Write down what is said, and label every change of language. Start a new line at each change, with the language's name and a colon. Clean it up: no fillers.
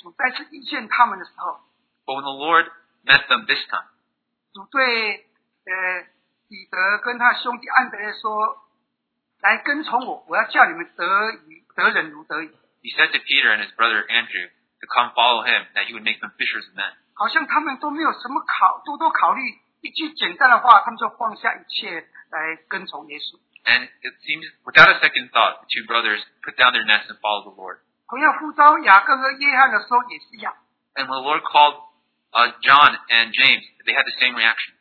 English: But when the Lord met them this time,
Chinese: 主对彼得跟他兄弟安德烈说，来跟从我，我要叫你们得鱼，得人如得鱼。
English: He said to Peter and his brother Andrew to come follow him, that he would make them fishers of men.
Chinese: 好像他们都没有什么多考虑。一句简单的话，他们就放下一切来跟从耶稣。
English: And it seems without a second thought, the two brothers put down their nets and followed the Lord.
Chinese: 同样呼召雅各和约翰的时候也是一样。
English: And when the Lord called John and James, they had the same reaction.